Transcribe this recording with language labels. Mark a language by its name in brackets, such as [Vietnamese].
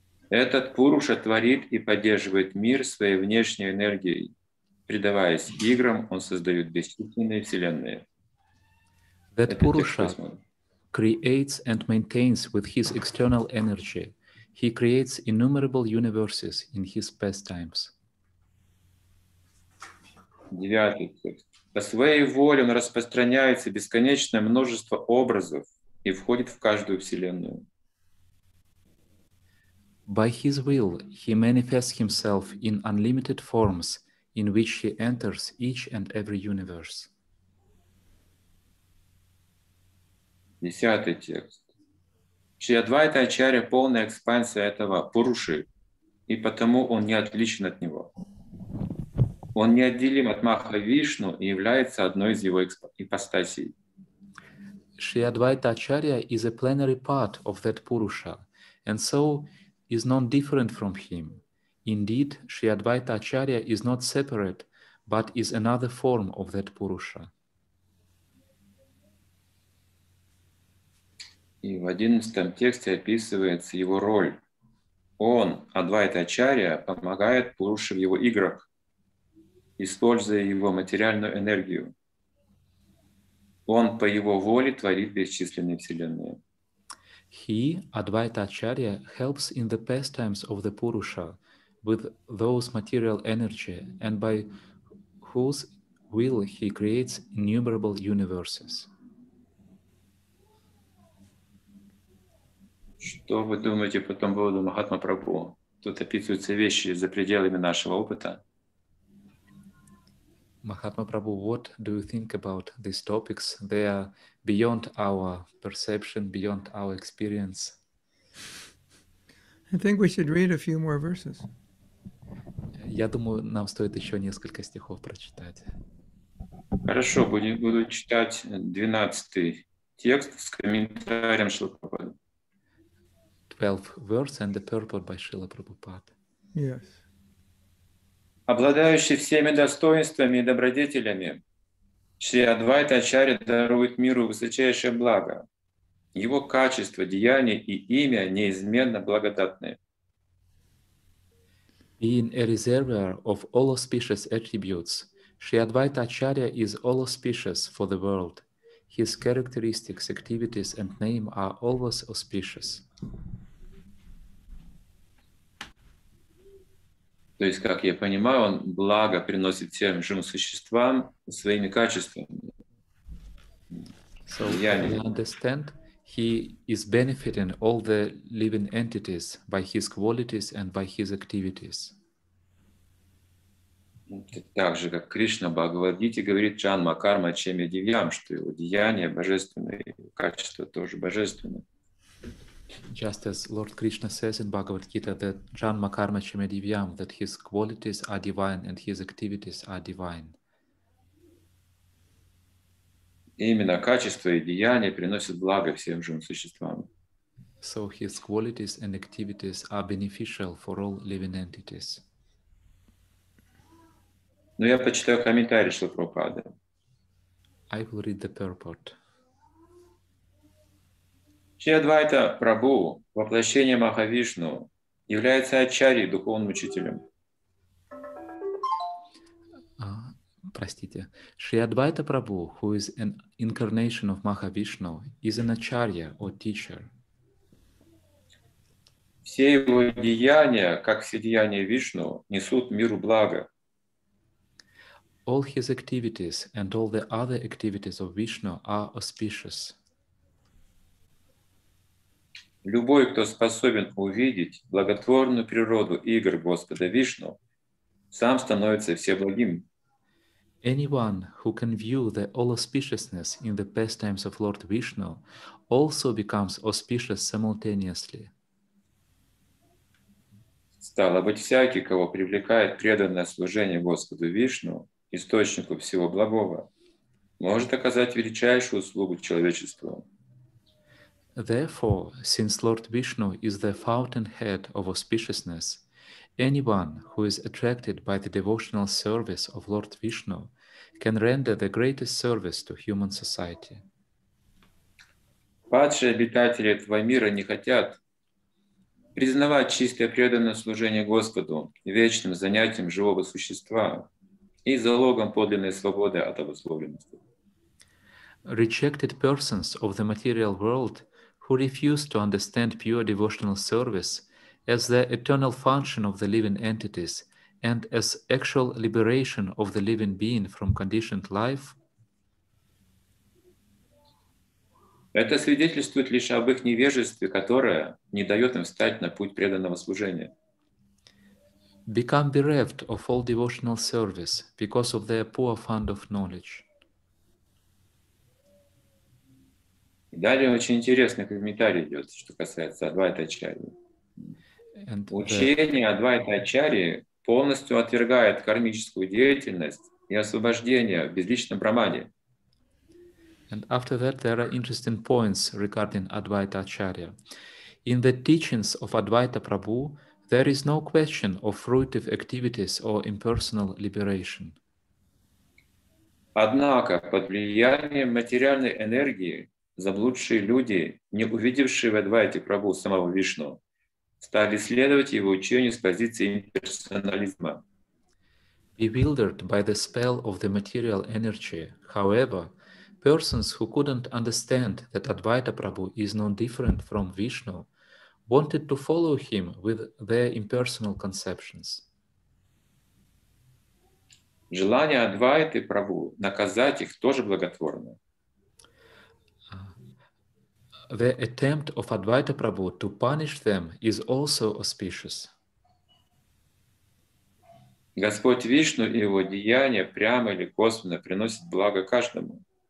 [Russian] Этот Пуруша творит и поддерживает мир своей внешней энергией. Предаваясь играм, он создает бесчисленные вселенные. [English] That Пуруша creates and maintains with his external energy. He creates innumerable universes in his pastimes. 9. [Russian] По своей воле он распространяется бесконечное множество образов и входит в каждую вселенную. [English] By his will, he manifests himself in unlimited forms, in which he enters each and every universe. [Russian] 10 текст. Шри Адвайта Ачарья — полная экспансия этого Пуруши, и потому он не отличен от него. Он неотделим от Махавишну и является одной из его ипостасей. [English] Шри Адвайта Ачарья is a plenary part of that Пуруша, and so is not different from him. Indeed, Шри Адвайта Ачарья is not separate, but is another form of that Пуруша. [Russian] И в 11 тексте описывается его роль. Он, Адвайта Ачарья, помогает Пуруше в его играх, используя его материальную энергию. Он по его воле творит бесчисленные вселенные. [English] He, Advaita Acharya, helps in the pastimes of the Purusha with those material energy and by whose will he creates innumerable universes. [Russian] Что вы думаете по этому поводу, Махатма Прабху? Тут описываются вещи за пределами нашего опыта. [English] Махатма Прабху, what do you think about these topics? They are beyond our perception, beyond our experience. I think we should read a few more verses. [Russian] Я думаю, нам стоит еще несколько стихов прочитать. Хорошо, буду читать 12-й текст с комментарием Шрила Прабхупады. [English] 12 words and the purport by Srila Prabhupada. Yes. [Russian] Обладающий всеми достоинствами и добродетелями, Шри Адвайта Ачарья дарует миру высочайшее благо. Его качества, деяния и имя неизменно благодатны. [English] Being a reservoir of all auspicious attributes, Shri Advaita Acharya is all auspicious for the world. His characteristics, activities and name are always auspicious. [Russian] То есть, как я понимаю, он благо приносит всем живым существам своими качествами. [English] So, I understand, he is benefiting all the living entities by his qualities and by his activities. [Russian] Так же, как Кришна Бхагавадгите говорит [Sanskrit] Джанма Карма Чемья Дивьям, [Russian] что его деяния божественные, качества тоже божественные. [English] Just as Lord Krishna says in Bhagavad Gita that [Sanskrit] Janma Karma Chimedivyam, [English] that his qualities are divine and his activities are divine. [Russian] Именно качества и деяния приносят благо всем живым существам. [English] So his qualities and activities are beneficial for all living entities. [Russian] Но я почитаю комментарий Шрилы Прабхупады. [English] I will read the purport. [Russian] Шри Адвайта Прабху, воплощение Махавишну, является ачарьей, духовным учителем. Простите. [English] Шри Адвайта Прабху, who is an incarnation of Махавишну, is an ачарья, or teacher. [Russian] Все его деяния, как все деяния Вишну, несут миру благо. [English] All his activities and all the other activities of Vishnu are auspicious. [Russian] Любой, кто способен увидеть благотворную природу игр Господа Вишну, сам становится всеблагим. [English] Anyone who can view the all auspiciousness in the pastimes of Lord Vishnu also becomes auspicious simultaneously. [Russian] Стало быть, всякий, кого привлекает преданное служение Господу Вишну, источнику всего благого, может оказать величайшую услугу человечеству. [English] Therefore, since Lord Vishnu is the fountainhead of auspiciousness, anyone who is attracted by the devotional service of Lord Vishnu can render the greatest service to human society. [Russian] Падшие обитатели этого мира не хотят признавать чистое преданное служение Господу вечным занятием живого существа и залогом подлинной свободы от обусловленности. [English] Rejected persons of the material world who refuse to understand pure devotional service as the eternal function of the living entities and as actual liberation of the living being from conditioned life. [Russian] Это свидетельствует лишь об их невежестве, которое не дает им встать на путь преданного служения. [English] Become bereft of all devotional service because of their poor fund of knowledge. [Russian] Далее очень интересный комментарий идет, что касается Адвайта Ачарьи. Учение Адвайта Ачарьи полностью отвергает кармическую деятельность и освобождение в безличном брамане. [English] And after that, there are interesting points regarding Advaita Acharya. In the teachings of Advaita Prabhu, there is no question of fruitive activities or impersonal liberation. [Russian] Однако под влиянием материальной энергии заблудшие люди, не увидевшие в Адвайте Прабху самого Вишну, стали следовать его учению с позиции имперсонализма. [English] Bewildered by the spell of the material energy, however, persons who couldn't understand that Advaita Prabhu is no different from Vishnu wanted to follow him with their impersonal conceptions. [Russian] Желание Адвайты Прабху наказать их тоже благотворно. [English] The attempt of Advaita Prabhu to punish them is also auspicious. [Russian] Господь Вишну и его деяния прямо или косвенно приносят благо каждому.